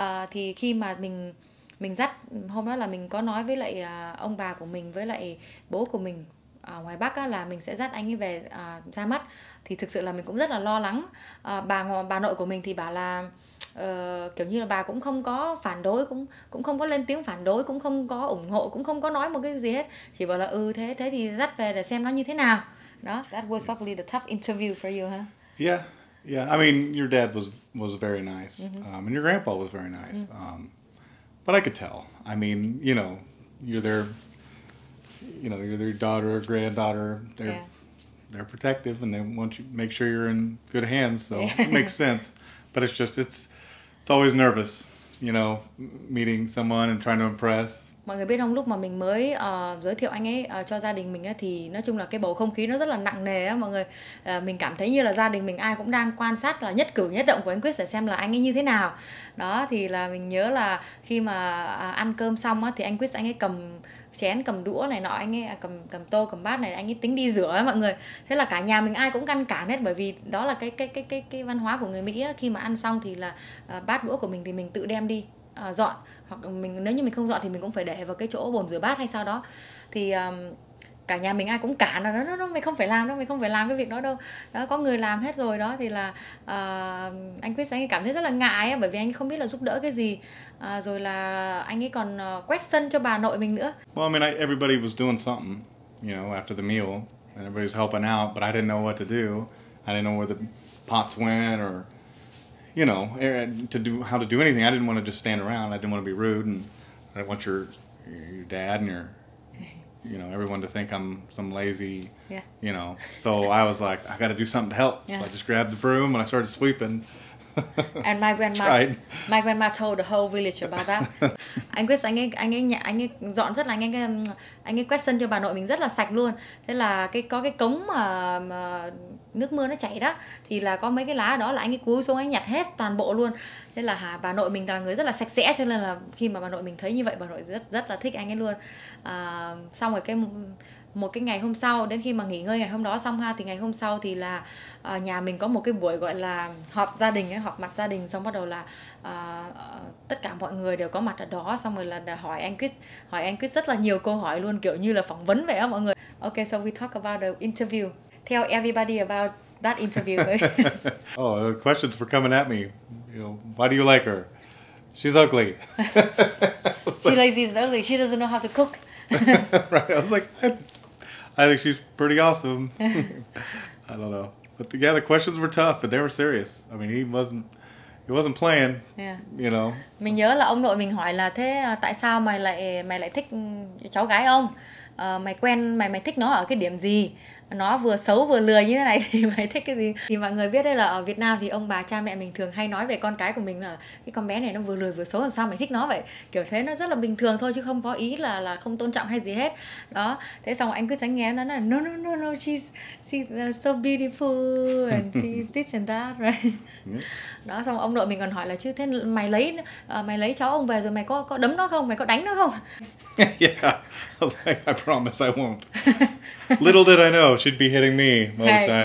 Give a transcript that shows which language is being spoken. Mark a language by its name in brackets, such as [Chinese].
[Vietnamese] Thì khi mà mình dắt, hôm đó là mình có nói với lại ông bà của mình với lại bố của mình ở ngoài Bắc á, là mình sẽ dắt anh ấy về ra mắt. Thì thực sự là mình cũng rất là lo lắng. Bà nội của mình thì bảo là kiểu như là bà cũng không có phản đối, cũng không có lên tiếng phản đối, cũng không có ủng hộ, cũng không có nói một cái gì hết. Chỉ bảo là thế thì dắt về để xem nó như thế nào. [English] No, that was probably the tough interview for you, huh? Yeah, yeah. I mean, your dad was very nice, mm-hmm. And your grandpa was very nice. Mm-hmm. But I could tell. I mean, you know, you're their daughter or granddaughter. They're protective, and they want you to make sure you're in good hands. So yeah. It makes sense. But it's just it's always nervous, you know, meeting someone and trying to impress. [Vietnamese] Mọi người biết không, lúc mà mình mới giới thiệu anh ấy cho gia đình mình ấy, thì nói chung là cái bầu không khí nó rất là nặng nề á mọi người. Mình cảm thấy như là gia đình mình ai cũng đang quan sát là nhất cử nhất động của anh Quyết để xem là anh ấy như thế nào. Đó thì là mình nhớ là khi mà ăn cơm xong á thì anh Quyết anh ấy cầm chén, cầm đũa này nọ, anh ấy cầm tô, cầm bát này, anh ấy tính đi rửa ấy, mọi người. Thế là cả nhà mình ai cũng ngăn cản hết, bởi vì đó là cái văn hóa của người Mỹ ấy. Khi mà ăn xong thì là bát đũa của mình thì mình tự đem đi dọn. Hoặc mình, nếu như mình không dọn thì mình cũng phải để vào cái chỗ bồn rửa bát hay sao đó. Thì cả nhà mình ai cũng cản là nó mình không phải làm đâu, mình không phải làm cái việc đó đâu. Đó, có người làm hết rồi đó. Thì là anh Quyết anh ấy cảm thấy rất là ngại ấy, bởi vì anh ấy không biết là giúp đỡ cái gì. Rồi là anh ấy còn quét sân cho bà nội mình nữa. [English] Well, I mean, everybody was doing something, you know, after the meal. And everybody was helping out, but I didn't know what to do. I didn't know where the pots went or... You know, how to do anything. I didn't want to just stand around. I didn't want to be rude, and I didn't want your dad and your, you know, everyone to think I'm some lazy. Yeah. You know, so I was like, I got to do something to help. Yeah. So I just grabbed the broom and I started sweeping. And my grandma, my grandma told the whole village about that. [Vietnamese] anh ấy dọn rất là nhanh, anh ấy quét sân cho bà nội mình rất là sạch luôn. Thế là có cái cống mà nước mưa nó chảy đó, thì là có mấy cái lá đó là anh ấy cúi xuống anh nhặt hết toàn bộ luôn. Thế là bà nội mình là người rất là sạch sẽ, cho nên là khi mà bà nội mình thấy như vậy, bà nội rất rất là thích anh ấy luôn. Xong rồi một cái ngày hôm sau, đến khi mà nghỉ ngơi ngày hôm đó xong ha, thì ngày hôm sau thì là nhà mình có một cái buổi gọi là họp gia đình ấy, họp mặt gia đình. Xong bắt đầu là tất cả mọi người đều có mặt ở đó. Xong rồi là hỏi anh Quyết rất là nhiều câu hỏi luôn, kiểu như là phỏng vấn vậy á mọi người. [English] Ok, so we talk about the interview. Tell everybody about that interview. Oh, the questions were coming at me. You know, why do you like her? She's ugly. She lazy and ugly. She doesn't know how to cook. Right. I was like, I think she's pretty awesome. I don't know. But the questions were tough, but they were serious. I mean, he wasn't playing. Yeah. You know. [Vietnamese] Mình nhớ là ông nội mình hỏi là thế tại sao mày lại thích cháu gái ông? Mày thích nó ở cái điểm gì? Nó vừa xấu vừa lười như thế này thì mày thích cái gì? Thì mọi người biết đây là ở Việt Nam thì ông bà cha mẹ mình thường hay nói về con cái của mình là cái con bé này nó vừa lười vừa xấu, làm sao mày thích nó vậy? Kiểu thế, nó rất là bình thường thôi chứ không có ý là không tôn trọng hay gì hết. Đó, thế xong anh cứ tránh nghe nó là [English] no, she's so beautiful and she's this and that, right? [Vietnamese] Đó, xong ông nội mình còn hỏi là chứ thế mày lấy cháu ông về rồi mày có đấm nó không? Mày có đánh nó không? [English] Yeah, I was like, I promise I won't. Little did I know she'd be hitting me all the time.